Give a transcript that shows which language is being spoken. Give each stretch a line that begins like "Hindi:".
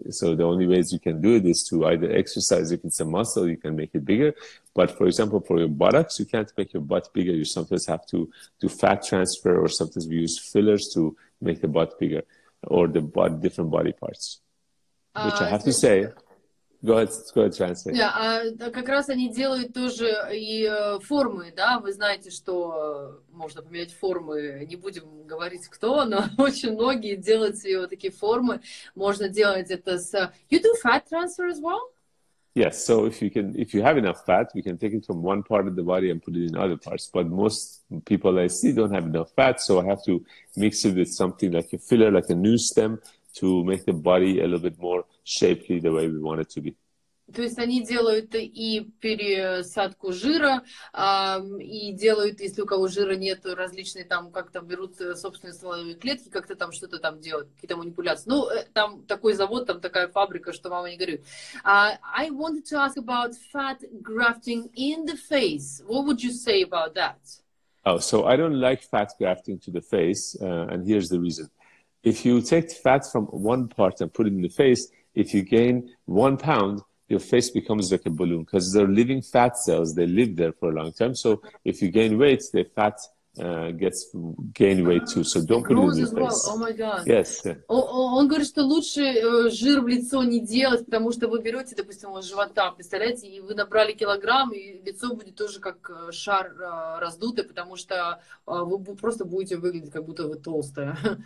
English: So the only ways you can do it is to either exercise, if it's a muscle, you can make it bigger. But for example, for your buttocks, you can't make your butt bigger. You sometimes have to do fat transfer, or sometimes we use fillers to make the butt bigger, or the butt, different body parts. Which I have to say, go ahead, translate.
Russian: Yeah, как раз они делают тоже и формы, да? Вы знаете, что можно поменять формы. Не будем говорить, кто, но очень многие делают себе вот такие формы. Можно делать это с...
English: You do fat transfer as well? Yes, so if you have enough fat, we can take it from one part of the body and put it in other parts. But most people I see don't have enough fat, so I have to mix it with something like a filler, like a new stem, to make the body a little bit more shapely the way we want it to be.
Russian: То есть они делают и пересадку жира, и делают, если у кого жира нет, различные там как-то берут собственные стволовые клетки, как-то там что-то там делают, какие-то манипуляции. Ну, там такой завод, там такая фабрика, что мама не говорит.
English: I wanted to ask about fat grafting in the face. What would you say about that? Oh, so I don't like fat grafting to the face, and here's the reason. If you take fat from one part and put it in the face, if you gain 1 pound, your face becomes like a balloon because they're living fat cells. They live there for a long time. So if you gain weight, the fat gets gain weight too. So don't put it in your face. Oh my God. Yes.
Russian: Он говорит, что лучше жир в лицо не делать, потому что вы берете, допустим, у живота, представляете, и вы набрали килограмм, и лицо будет тоже как шар раздутый, потому что вы просто будете выглядеть, как будто вы толстая.